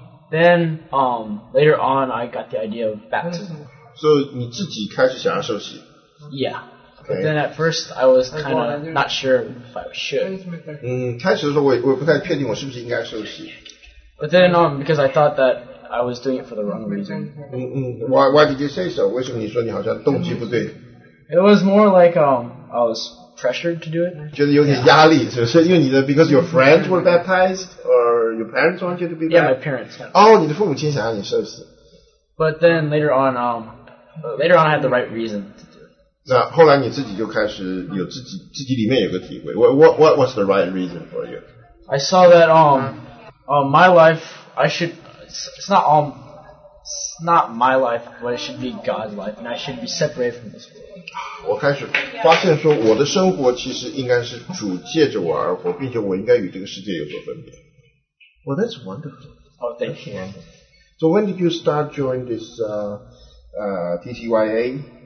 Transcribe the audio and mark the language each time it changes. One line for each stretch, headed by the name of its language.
English: Then later on, I got the idea of baptism.
Chinese: So 你自己开始想要受洗。
English: Yeah. But then at first, I was kind of not sure if I should.
Chinese: 开始的时候我不太确定我是不是应该受洗。
English: But then, because I thought that I was doing it for the wrong reason. Why did you say so?
Chinese: 为什么你说你好像动机不对？
English: It was more like I was pressured to do it.
Chinese: 觉得有点压力，是不是？因为你的
English: because your friends were baptized, or your parents want you to be baptized? Yeah, my parents.
Chinese: 你的父母亲想要你受洗。
English: But then later on, I had the right reason to do it.
Chinese: 那后来你自己就开始有自己里面有个体会。
English: What was the right reason for you? I saw that my life, I should. It's not my life, but it should be God's life, and I should be separated from this world.
Chinese: 我开始发现说，我的生活其实应该是主借着我而活，并且我应该与这个世界有所分别。
English: Well, that's wonderful. Oh, thank you. So when did you start joining this TTYA?